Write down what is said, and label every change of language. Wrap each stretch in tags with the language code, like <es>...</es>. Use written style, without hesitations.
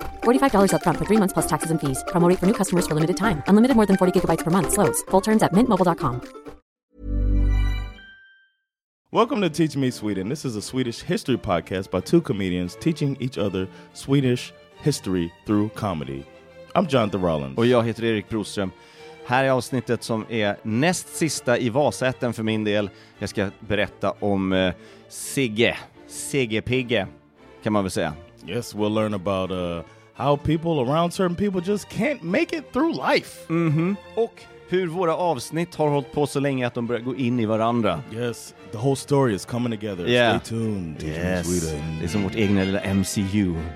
<en>$45 up front for 3 months plus taxes and fees. Promo rate for new customers for limited time. Unlimited more than 40 gigabytes per month. Slows full terms at mintmobile.com. Welcome to Teach Me Sweden. This is a Swedish history podcast by two comedians teaching each other Swedish history through comedy. I'm Jonathan Rollins.</en> <sv>Och jag heter Erik Broström. Här är avsnittet som är näst sista i Vasätten för min del. Jag ska berätta om Sigge. Siggepigge, kan man väl säga.</sv> <en>Yes, we'll learn about how people around certain people just can't make it through life. Mm-hmm.</en> <sv>Och hur våra avsnitt har hållit på så länge att de börjar gå in i varandra.</sv> <en>Yes, the whole story is coming together. Yeah. Stay tuned.</en> <sv>Yes, det är som vårt egna lilla MCU.</sv>